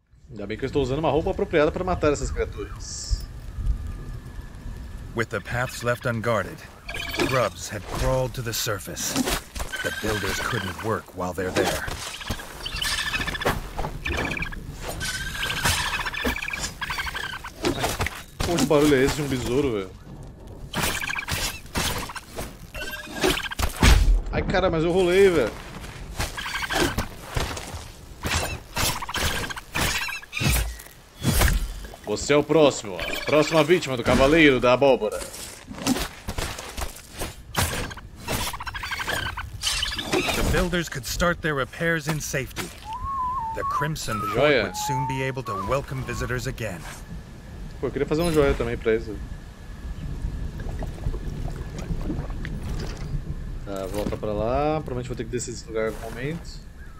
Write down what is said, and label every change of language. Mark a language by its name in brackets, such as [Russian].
[Portuguese] Ainda bem que eu estou usando uma roupa apropriada para matar essas criaturas. [English] With the paths left unguarded, grubs had crawled to the surface. The builders couldn't work while they're there. [Portuguese] Que barulho é esse de um besouro, velho? Ai, cara, mas eu rolei, velho. Você é o próximo, a próxima vítima do cavaleiro da abóbora. [English] The builders could start their repairs in safety. The Crimson Fort would soon be able to welcome visitors again. [Portuguese] Pô, eu queria fazer um joia também pra isso. Tá, volta pra lá. Provavelmente vou ter que descer esse lugar em algum momento.